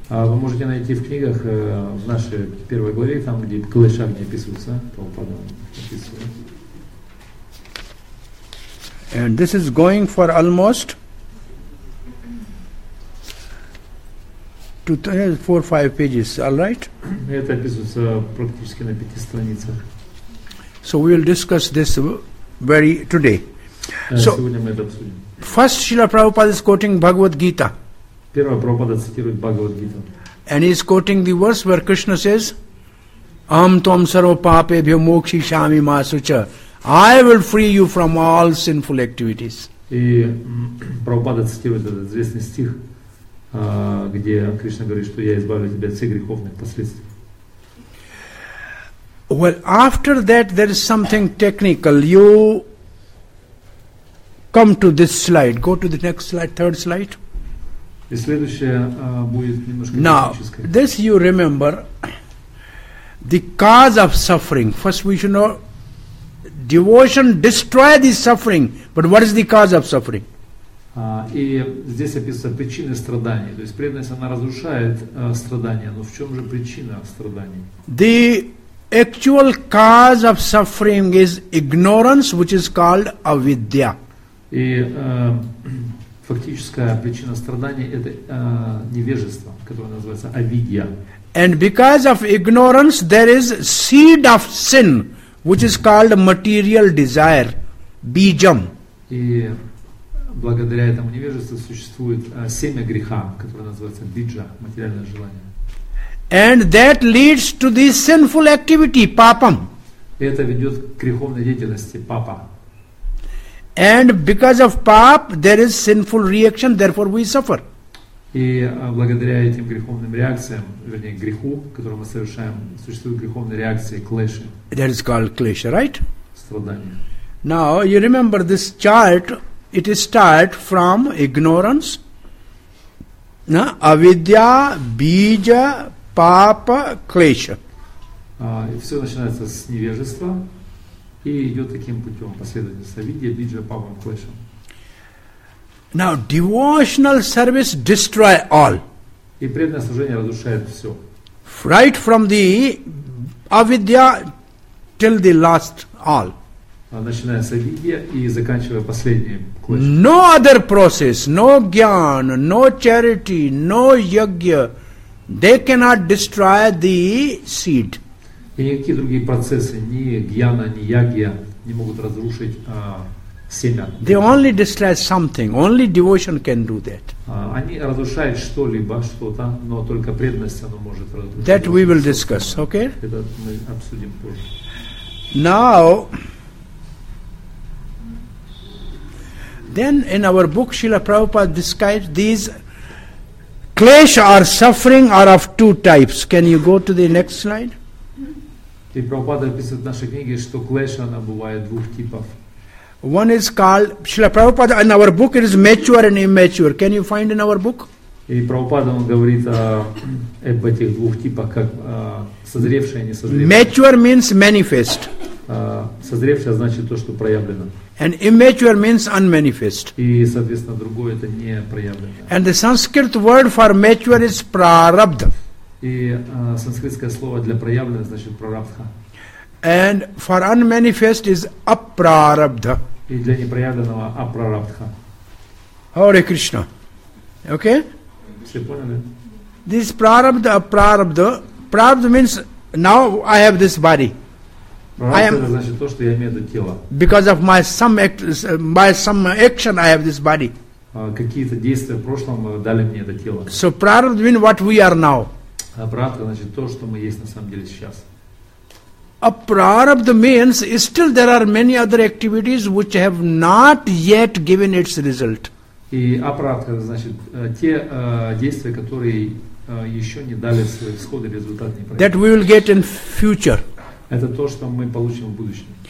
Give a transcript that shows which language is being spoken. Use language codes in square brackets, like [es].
[ru] Вы можете найти в книгах в нашей первой главе, там где Клеша Агни описывается, Прабхупада описывает. [en] And this is going for almost 4-5 pages, all right? [ru] Это описывается практически на 5 страницах. [en] So we will discuss this very today. [ru] So, сегодня мы это обсудим. [en] First, Srila Prabhupada is quoting Bhagavad Gita. [ru] Первое, Прабхупада цитирует Бхагавад Гита. [en] And he is quoting the verse where Krishna says, [sa] "Aham tvam sarva papebhyo mokshishami masucha." [en] I will free you from all sinful activities. [ru] И Прабхупада цитирует этот известный стих, где Кришна говорит, что я избавлю тебя от всех греховных последствий. [en] Well, after that, there is something technical. You come to this slide. Go to the next slide, third slide. [ru] И следующее будет немножко [en] Now, [ru] техническое. [en] This you remember, the cause of suffering. First we should know, devotion destroys the suffering. But what is the cause of suffering? [ru] И здесь описывается причина страдания. То есть преданность, она разрушает страдания. Но в чем же причина страданий? [en] The actual cause of suffering is ignorance, which is called avidya. [ru] И фактическая причина страдания – это невежество, которое называется авидья. [en] And because of ignorance, there is seed of sin, which is called material desire, bijam. [ru] И благодаря этому невежеству существует семя греха, которое называется биджа, материальное желание. [en] And that leads to the sinful activity, papam. [ru] И это ведет к греховной деятельности, папа. [en] And because of pap, there is sinful reaction, therefore we suffer. [ru] И благодаря этим греховным реакциям, вернее, греху, который мы совершаем, существуют греховные реакции, клеши. [en] That is called клеша, right? [ru] Страдание. [en] Now, you remember this chart, it is start from ignorance. No? Avidya, bija, papa, клеша. [ru] Все начинается с невежества. И идет таким путем последовательно савидья, биджа, папа, клеша. [en] Now devotional service destroy all. [ru] И преданное служение разрушает все. [en] Right from the avidya till the last all. [ru] Начиная с авидья и заканчивая последним клеша. [en] No other process, no gyan, no charity, no yagya, they cannot destroy the seed. [ru] И никакие другие процессы, ни гьяна, ни ягья, не могут разрушить семя. [en] They only destroy something. Only devotion can do that. [ru] Они разрушают что-либо, что-то, но только преданность оно может разрушить. [en] That we will discuss, okay? [ru] Это мы обсудим позже. [en] Now, then in our book Srila Prabhupada describes these klesha or suffering are of two types. Can you go to the next slide? [ru] И Прабхупада описывает в нашей книге, что клеша, она бывает двух типов. [en] One is called, Srila Prabhupada, in our book it is mature and immature. Can you find in our book? [ru] И Прабхупада, он говорит об этих двух типах, как созревшее и несозревшее. [en] Mature means manifest. [ru] Созревшее значит то, что проявлено. [en] And immature means unmanifest. [ru] И, соответственно, другое, это не проявлено. [en] And the Sanskrit word for mature is prarabdha. [ru] И санскритское слово для проявленного значит прарабдха. [en] And for unmanifest is апрарабдха. [ru] И для непроявленного апрарабдха. [en] Hare Krishna. Okay? [ru] Все поняли? [en] This прарабдха, апрарабдха. Прарабдха means now I have this body. Because of my some action, I have this body. [ru] Какие-то действия в прошлом дали мне это тело. [en] So prarabdha means what we are now. [ru] Prarabdha значит то, что мы есть на самом деле сейчас. [en] A prarabdha means still there are many other activities which have not yet given its result. [ru] И apraradha значит те действия, которые еще не дали свой исходный результат. [en] That we will get in future. [ru] Это то, что мы получим в будущем.